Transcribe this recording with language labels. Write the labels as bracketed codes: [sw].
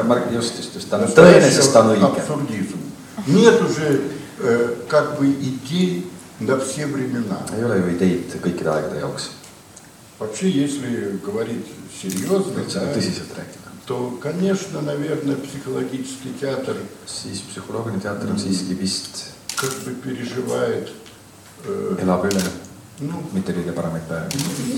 [et] Just, on tõene, sest ta on õige. [ru] Абсурдизм. Нет уже как бы идей на все времена. [et] Ei ole ju ideid kõikide aegade jaoks. [ru] Вообще, если говорить серьезно, то, конечно, наверное, психологический театр [et] siis психологини театр on siiski vist [ru] как бы переживает [et] elab üle. Ну, mitte liiga paremaid päevi.